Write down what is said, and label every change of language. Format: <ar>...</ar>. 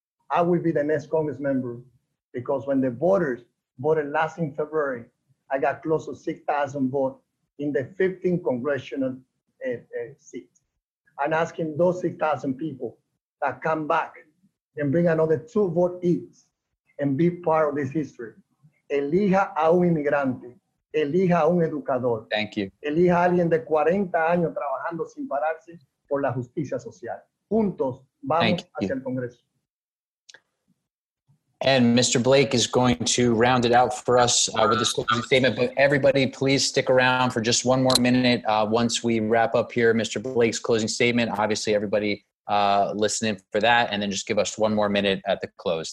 <en>I will be the next Congress member because when the voters voted last in February, I got close to 6,000 votes in the 15th congressional seat. I'm asking those 6,000 people that come back and bring another 2 vote each and be part of this history.</en> <es>Elija a un inmigrante. Elija a un educador.</es> <en>Thank you.</en> <es>Elija a alguien de 40 años trabajando sin pararse por la justicia social. Juntos vamos hacia el Congreso.</es> <en>And Mr. Blake is going to round it out for us with this closing statement. But everybody, please stick around for just one more minute once we wrap up here. Mr. Blake's closing statement. Obviously, everybody listen in for that, and then just give us one more minute at the close.</en>